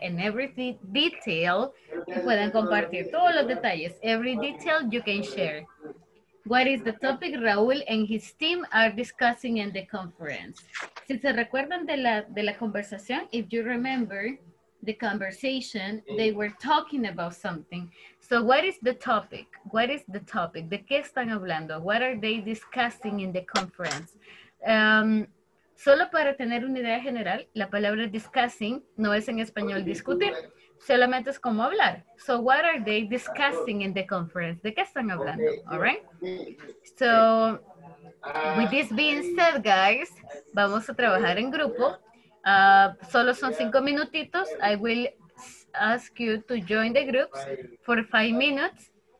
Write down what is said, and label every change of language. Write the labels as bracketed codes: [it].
[en] En every detail, [es] y pueden compartir todos los detalles. [en] Every detail you can share. What is the topic Raúl and his team are discussing in the conference? [es] Si se recuerdan de la conversación, [en] if you remember the conversation, they were talking about something. So, what is the topic? What is the topic? [es] ¿De qué están hablando? [en] What are they discussing in the conference? [es] Solo para tener una idea general, la palabra discussing no es en español discutir, solamente es como hablar. [en] So what are they discussing in the conference? [es] ¿De qué están hablando? [en] All right? So with this being said, guys, [es] vamos a trabajar en grupo. Solo son 5 minutitos. [en] I will ask you to join the groups for 5 minutes.